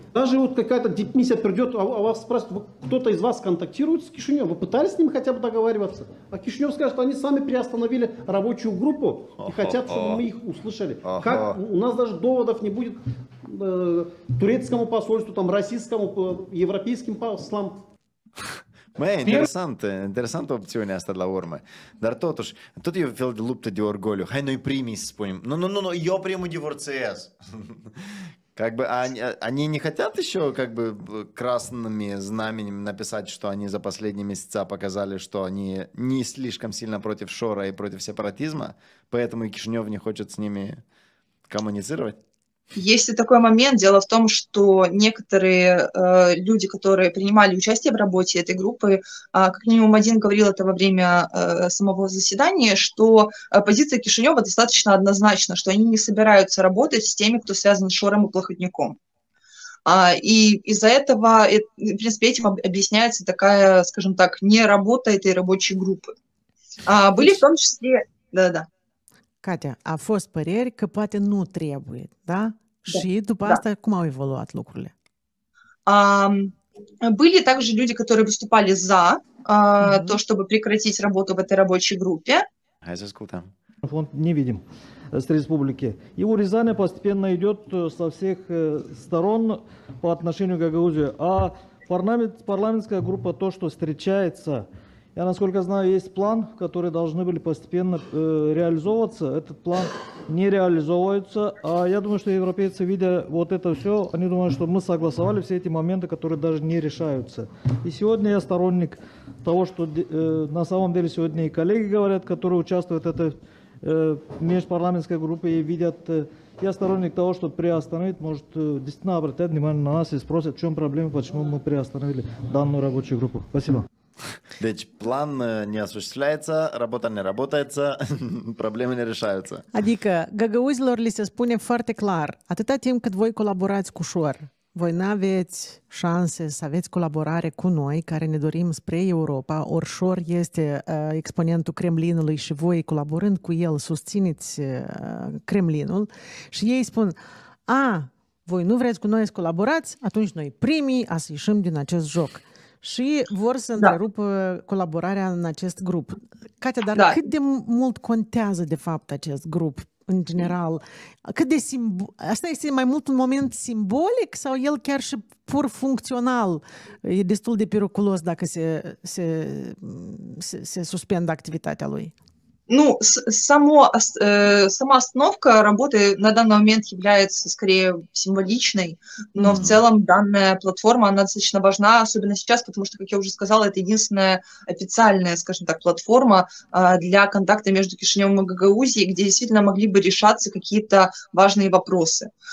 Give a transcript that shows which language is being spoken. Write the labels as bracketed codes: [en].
[ru] Даже вот какая-то депмиссия придет, а вас спрашивают, кто-то из вас контактирует с Кишиневым? Вы пытались с ним хотя бы договариваться? А Кишинев скажет, что они сами приостановили рабочую группу и хотят, чтобы мы их услышали. Как? У нас даже доводов не будет турецкому посольству, там, российскому, европейским послам. [ro] Mai interesantă, interesantă opțiune asta la urmă. Dar totuși, tot e un fel de luptă de orgoliu. Hai noi primii să spunem. Nu, eu primul divorțez. [ru] Как бы они не хотят еще как бы красными знаменями написать, что они за последние месяца показали, что они не слишком сильно против Шора и против сепаратизма, поэтому и Кишинев не хочет с ними коммуницировать? Есть и такой момент. Дело в том, что некоторые люди, которые принимали участие в работе этой группы, как минимум один говорил это во время самого заседания, что позиция Кишинева достаточно однозначна, что они не собираются работать с теми, кто связан с Шором и Плохотником. И из-за этого, в принципе, этим объясняется такая, скажем так, неработа этой рабочей группы. Были в том числе, да-да-да. [ro] Катя, а fost păreri că poate nu trebuie, da? Și după asta, cum au evoluat lucrurile? [ru] Были также люди, которые выступали за то, чтобы прекратить работу в этой рабочей группе. [ro] Hai să ascultăm. [ru] Фонд невидим с республики. И урезание постепенно идет со всех сторон по отношению к Гагаузии. А парламентская группа, то, что встречается, я, насколько знаю, есть план, который должны были постепенно реализовываться. Этот план не реализовывается. А я думаю, что европейцы, видя вот это все, они думают, что мы согласовали все эти моменты, которые даже не решаются. И сегодня я сторонник того, что на самом деле сегодня и коллеги говорят, которые участвуют в этой межпарламентской группе и видят. Я сторонник того, что приостановить, может, действительно обратят внимание на нас и спросят, в чем проблема, почему мы приостановили данную рабочую группу. Спасибо. [ro] Deci [ru] plan не осуществляется, работа не работает, проблемы не решаются. [ro] Adică găgăuzilor li se spune foarte clar, atâta timp cât voi colaborați cu ușor, voi n-aveți șanse să aveți colaborare cu noi, care ne dorim spre Europa, ori ușor este exponentul Kremlinului și voi colaborând cu el susțineți Kremlinul și ei spun, a, voi nu vreți cu noi să colaborați, atunci noi primii a să ieșim din acest joc. Și vor să întrerupă colaborarea în acest grup. Katia, dar cât de mult contează de fapt acest grup în general? Cât de asta este mai mult un moment simbolic sau el chiar și pur funcțional e destul de periculos dacă se suspendă activitatea lui? [ru] Ну, сама остановка работы на данный момент является скорее символичной, но в целом данная платформа, она достаточно важна, особенно сейчас, потому что, как я уже сказала, это единственная официальная, скажем так, платформа для контакта между Кишиневым и Гагаузией, где действительно могли бы решаться какие-то важные вопросы.